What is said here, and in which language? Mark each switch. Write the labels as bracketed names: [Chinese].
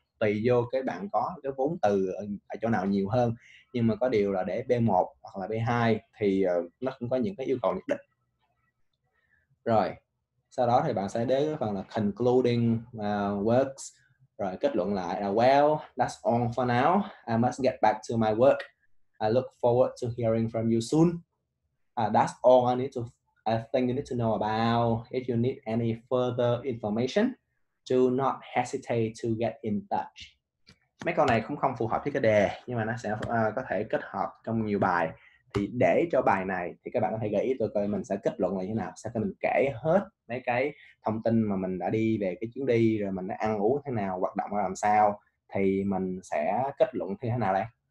[Vietnamese] Tùy vô cái bạn có cái vốn từ ở chỗ nào nhiều hơn. Nhưng mà có điều là để B1 hoặc là B2 thì nó cũng có những cái yêu cầu nhất định. Rồi, sau đó thì bạn sẽ đến cái phần là concluding works. Rồi kết luận lại là [English] well, that's all for now. I must get back to my work. I look forward to hearing from you soon. That's all I think you need to know about. If you need any further information, do not hesitate to get in touch. [Vietnamese] Mấy câu này cũng không phù hợp với cái đề, nhưng mà nó sẽ có thể kết hợp trong nhiều bài. Thì để cho bài này thì các bạn có thể gợi ý tôi coi mình sẽ kết luận là như thế nào. Sau khi mình kể hết mấy cái thông tin mà mình đã đi về cái chuyến đi, rồi mình đã ăn uống thế nào, hoạt động làm sao, thì mình sẽ kết luận như thế nào đây?